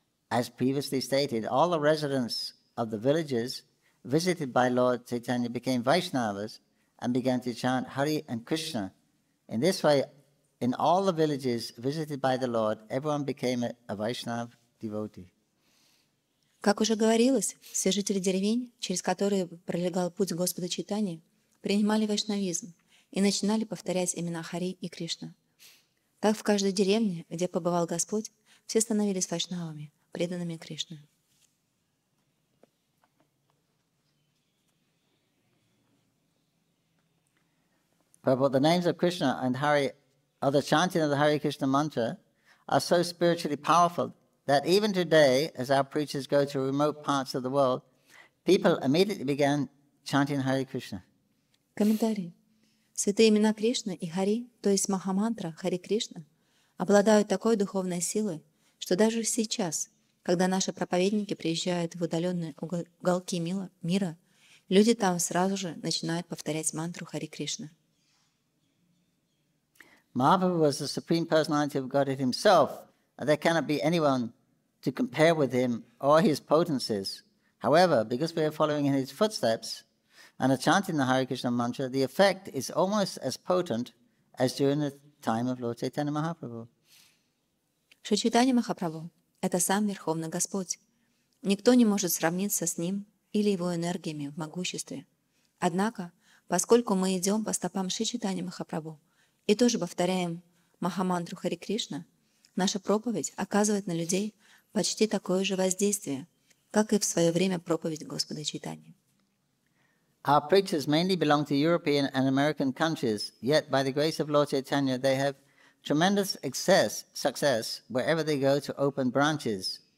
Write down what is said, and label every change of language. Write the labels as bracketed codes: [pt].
[en] As previously stated, all the residents of the villages visited by Lord Caitanya became Vaishnavas and began to chant Hari and Krishna. In this way, in all the villages visited by the Lord, everyone became a Vaishnava devotee. [ru] Как уже говорилось, все жители деревень, через которые пролегал путь Господа Чайтаньи, принимали вайшнавизм и начинали повторять имена Хари и Кришна. Так в каждой деревне, где побывал Господь, все становились вайшнавами, преданными Кришне. [en] But the names of Krishna and Hari, or the chanting of the Hare Krishna mantra, are so spiritually powerful that even today, as our preachers go to remote parts of the world, people immediately began chanting Hare Krishna. [ru] Комментарий. Святые имена Кришна и Хари, то есть Махамантра Хари Кришна, обладают такой духовной силой, что даже сейчас, когда наши проповедники приезжают в удаленные уголки мира, люди там сразу же начинают повторять мантру Хари Кришна. [en] Mahaprabhu was the supreme personality of Godhead himself, and there cannot be anyone to compare with him or his potencies. However, because we are following in his footsteps and are chanting the Hare Krishna mantra, the effect is almost as potent as during the time of Lord Chaitanya Mahaprabhu. [ru] Шри Чайтанья Махапрабху – это сам Верховный Господь. Никто не может сравниться с ним или его энергиями в могуществе. Однако, поскольку мы идем по стопам Шри Чайтанья Махапрабху, и тоже повторяем Махамантру Хари Кришна, наша проповедь оказывает на людей почти такое же воздействие, как и в свое время проповедь Господа Чайтаньи. [en] Our preachers mainly belong to European and American countries, yet by the grace of Lord Chaitanya, they have tremendous success wherever they go to open branches.